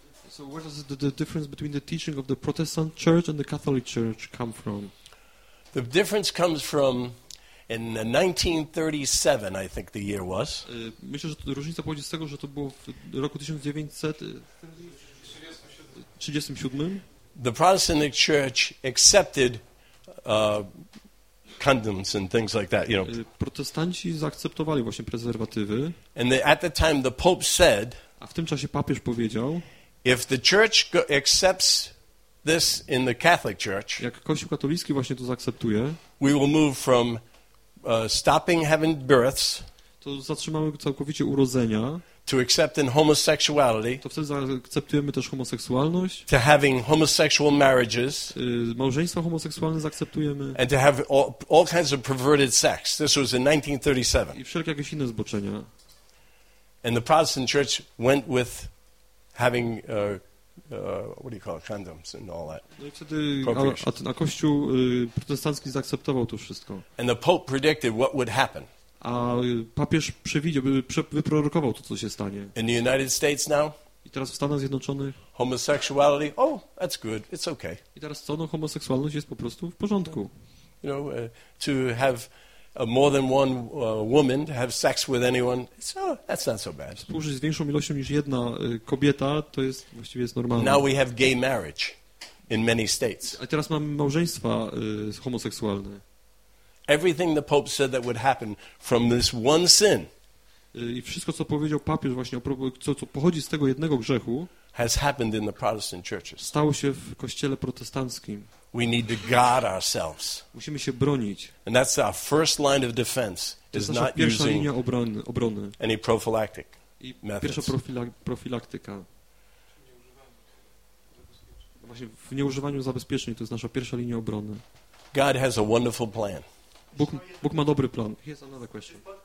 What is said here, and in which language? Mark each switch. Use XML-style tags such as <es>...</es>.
<en>So where does the difference between the teaching of the Protestant Church and the Catholic Church come from? The difference comes from in 1937, I think the year was.</en> <pl>Myślę, że różnica pochodzi z tego, że to było w roku 1937.</pl> <en>The Protestant Church accepted condoms and things like that, you know.</en> <pl>Protestanci zaakceptowali właśnie prezerwatywy.</pl> <en>And at the time the Pope said,</en> <pl>a w tym czasie papież powiedział,</pl> <en>if the church accepts this in the Catholic Church,</en> <pl>jak Kościół katolicki właśnie to zaakceptuje,</pl> <en>we will move from stopping having births,</en> <pl>to zatrzymamy całkowicie urodzenia,</pl> <en>to accepting homosexuality,</en> <pl>to wtedy zaakceptujemy też homoseksualność,</pl> <en>to having homosexual marriages,</en> <pl>małżeństwa homoseksualne zaakceptujemy,</pl> <en>and to have all kinds of perverted sex. This was in 1937.</en> <pl>I wszelkie jakieś inne zboczenia.</pl> <en>And the Protestant Church went with having what do you call it, condoms and all that.</en> <pl>No i wtedy, a Kościół protestancki zaakceptował to wszystko.</pl> <en>And the Pope predicted what would happen.</en> <pl>A papież przewidział, wyprorokował to, co się stanie.</pl> <en>In the United States now?</en> <pl>I teraz w Stanach Zjednoczonych?</pl> <en>Homosexuality? Oh, that's good. It's okay.</en> <pl>I teraz co? No, homoseksualność jest po prostu w porządku.</pl> <en>You know, to have more than one woman to have sex with anyone, so that's not so bad.</en> <pl>Współżyć z większą ilością niż jedna kobieta, to jest właściwie jest normalne.</pl> <en>Now we have gay marriage in many states.</en> <pl>A teraz mamy małżeństwa homoseksualne.</pl> <en>Everything the Pope said that would happen from this one sin.</en> <pl>I wszystko, co powiedział papież właśnie, co pochodzi z tego jednego grzechu,</pl> <en>has happened in the Protestant churches.</en> <pl>Stało się w kościele protestanckim.</pl> <en>We need to guard ourselves.</en> <pl>Musimy się bronić.</pl> <en>And that's our first line of defense, is not using</en> <pl>obrony.</pl> <en>Any prophylactic</en> <pl>i</pl> <en>methods.</en> <pl>Pierwsza profilaktyka. Właśnie w nieużywaniu zabezpieczeń to jest nasza pierwsza linia obrony.</pl> <en>God has a wonderful plan.</en> <pl>Bóg ma dobry plan.</pl> <en>Here's another question.</en>